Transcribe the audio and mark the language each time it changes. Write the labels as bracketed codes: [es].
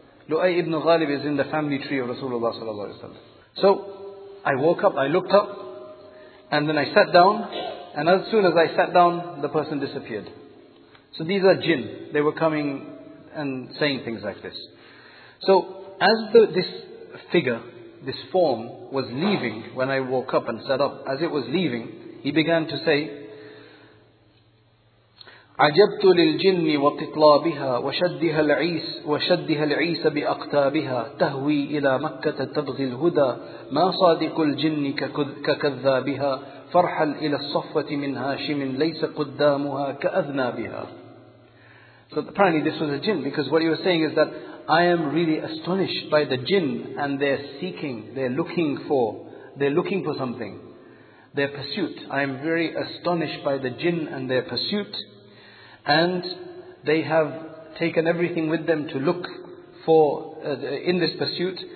[en] Lu'ay ibn Ghalib is in the family tree of Rasulullah sallallahu alaihi wasallam. So, I woke up, I looked up, and then I sat down, and as soon as I sat down, the person disappeared. So these are jinn. They were coming and saying things like this. So, as this figure, this form, was leaving when I woke up and sat up, as it was leaving, he began to say, [ar] عجبتُ للجن وطلابها وشدها العيس وشدها العيس بأقتابها تهوي إلى مكة تبغي الهدى ما صادق الجن ككذابها فرحل إلى الصفوة من هاشم ليس قدامها كأذنابها. [en] So apparently this was a jinn, because what he was saying is that I am really astonished by the jinn and they're looking for something, their pursuit. I am very astonished by the jinn and their pursuit. And they have taken everything with them to look for, in this pursuit.